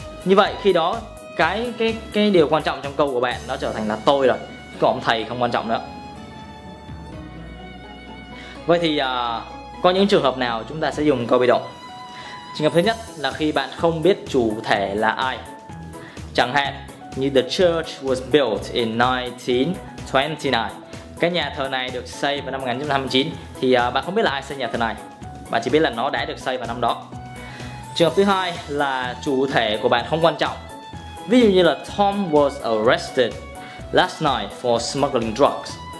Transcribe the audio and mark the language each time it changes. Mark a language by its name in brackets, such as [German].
[Vietnamese] Như vậy khi đó cái điều quan trọng trong câu của bạn nó trở thành là tôi rồi. Còn ông thầy không quan trọng nữa. Vậy thì có những trường hợp nào chúng ta sẽ dùng câu bị động? Trường hợp thứ nhất là khi bạn không biết chủ thể là ai. Chẳng hạn như [English] the church was built in 1929. [Vietnamese] Cái nhà thờ này được xây vào năm 1929. Thì bạn không biết là ai xây nhà thờ này. Bạn chỉ biết là nó đã được xây vào năm đó. Trường hợp thứ hai là chủ thể của bạn không quan trọng. Ví dụ như là [English] Tom was arrested last night for smuggling drugs.